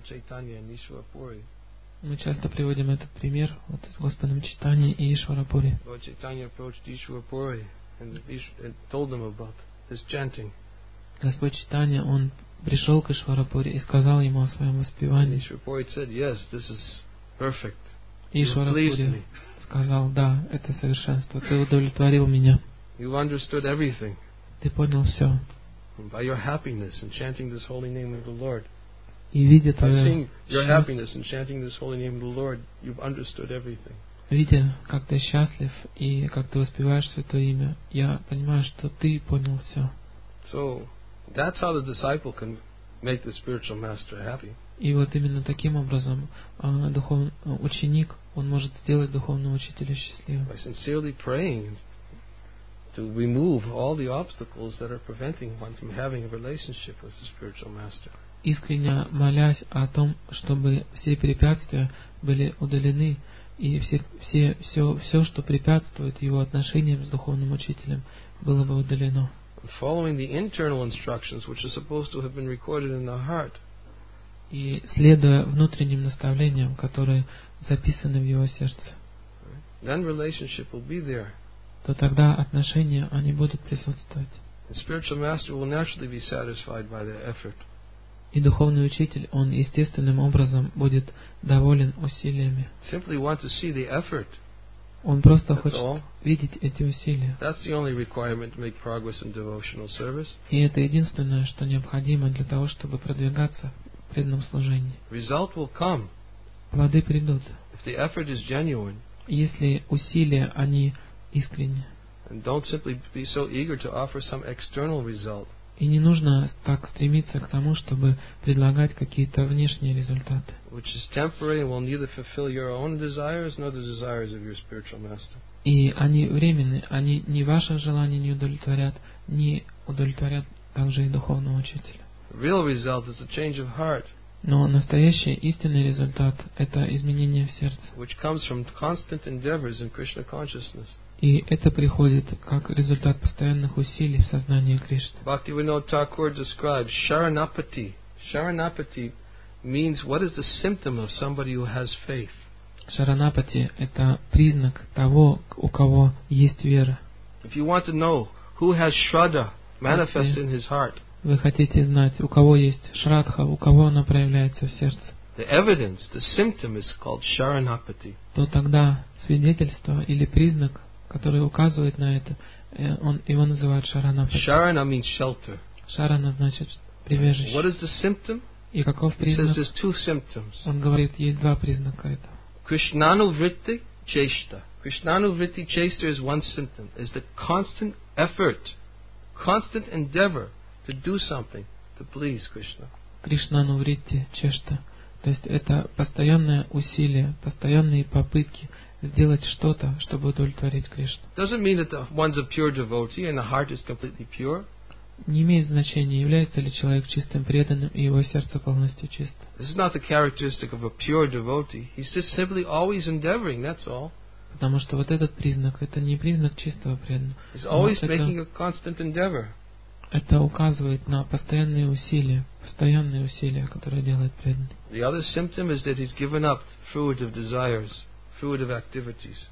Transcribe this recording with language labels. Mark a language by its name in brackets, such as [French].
[Russian] Мы часто приводим этот пример вот, с Господом Чайтанья и Ишварапури. [English] Lord Chaitanya approached Ишварапури and told them about his chanting. [Russian] Господь Чайтанья, он пришел к Ишварапури и сказал ему о своем воспевании. Ишварапури сказал, да, это совершенство. Ты удовлетворил меня. Ты понял все. [English] By your happiness in chanting this holy name of the Lord. [Russian] И видя твое видя, как ты счастлив и как ты воспеваешь святое имя, я понимаю, что ты понял все. [English] So, that's how the disciple can make the spiritual master happy. [Russian] И вот именно таким образом ученик он может сделать духовного учителя счастливым. [English] By sincerely praying to remove all the obstacles that are preventing one from having a relationship with the spiritual master. [Russian] Искренне молясь о том, чтобы все препятствия были удалены и все, что препятствует его отношениям с духовным учителем, было бы удалено. [English] Following the internal instructions, which are supposed to have been recorded in the heart, [Russian] и следуя внутренним наставлениям, которые записаны в его сердце, [English] then relationship will be there. [Russian] То тогда отношения они будут присутствовать. [English] The spiritual master will naturally be satisfied by their effort. [Russian] И духовный учитель он естественным образом будет доволен усилиями. [English] Simply want to see the effort. [Russian] Он просто хочет видеть эти усилия. [English] That's the only requirement to make progress in devotional service. [Russian] И это единственное, что необходимо для того, чтобы продвигаться в преданном служении. [English] Result will come. [Russian] Плоды придут. [English] If the effort is genuine. [Russian] Если усилия, они искренни. [English] And don't simply be so eager to offer some external result. [Russian] И не нужно так стремиться к тому, чтобы предлагать какие-то внешние результаты. [English] Which is temporary and will neither fulfill your own desires nor the desires of your spiritual master. [Russian] И они временны, они ни ваши желания не удовлетворят, ни удовлетворят также и духовного учителя. [English] Real result is a change of heart. [Russian] Но настоящий истинный результат – это изменение в сердце. [English] Which comes from constant endeavors in Krishna consciousness. [Russian] И это приходит как результат постоянных усилий в сознании Кришны. [English] Бхактивинода Тхакур describes Sharanapati. Sharanapati means what is the symptom of somebody who has faith. [Russian] Sharanapati – это признак того, у кого есть вера. [English] If you want to know who has Shraddha manifest in his heart. [Russian] вы хотите знать, у кого есть шрадха, у кого она проявляется в сердце. [English] The evidence, the symptom is called sharanapati. [Russian] То тогда свидетельство или признак, который указывает на это, он его называют шаранапати. [English] Шарана means shelter. [Russian] Шарана значит прибежище. [English] What is the symptom? [Russian] И каков признак? [English] He says there's two symptoms. [Russian] Он говорит, есть два признака этого. [English] Krishnanu vritti cheshta. Krishnanu vritti cheshta is one symptom. Is the constant effort, constant endeavor to do something to please Krishna. [Sanskrit] Krishnanu vritti cheshta. [Russian] То есть это постоянное усилие, постоянные попытки сделать что-то, чтобы удовлетворить Кришну. [English] Doesn't mean that one's a pure devotee and the heart is completely pure. [Russian] Не имеет значения, является ли человек чистым преданным и его сердце полностью чисто. [English] This is not the characteristic of a pure devotee. He's just simply always endeavoring. That's all. [Russian] Потому что вот этот признак, это не признак чистого преданного. [English] He's always making a constant endeavor. [Russian] Это указывает на постоянные усилия, которые делает преданный. [English] The other symptom is that he's given up fruit of desires, fruit of activities.